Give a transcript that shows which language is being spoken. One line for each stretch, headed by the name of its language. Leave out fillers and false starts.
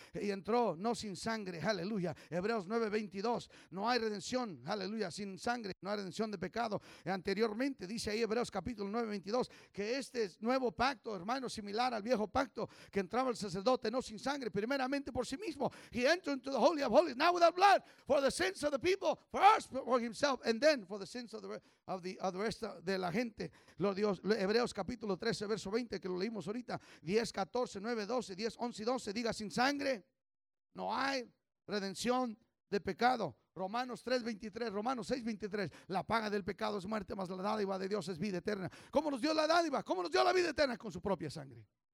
Spanish: Y entró no sin sangre. Aleluya. Hebreos 9:22. No hay redención. Aleluya. Sin sangre. No hay redención de pecado. Anteriormente dice ahí Hebreos capítulo 9:22. Que este nuevo pacto, hermano, similar al viejo pacto que entraba el sacerdote no sin sangre, primeramente por sí mismo.
English: He entered into the Holy of Holies, now without blood, for the sins of the people, for us, for himself, and then for the sins of the rest of
Spanish: de la gente. Lord Dios, Hebreos capítulo 13, verso 20, que lo leímos ahorita. 10:14. 9, 12, 10, 11 y 12, diga, sin sangre no hay redención de pecado. Romanos 6:23, la paga del pecado es muerte, mas la dádiva de Dios es vida eterna. ¿Cómo nos dio la dádiva? ¿Cómo nos dio la vida eterna? Con su propia sangre.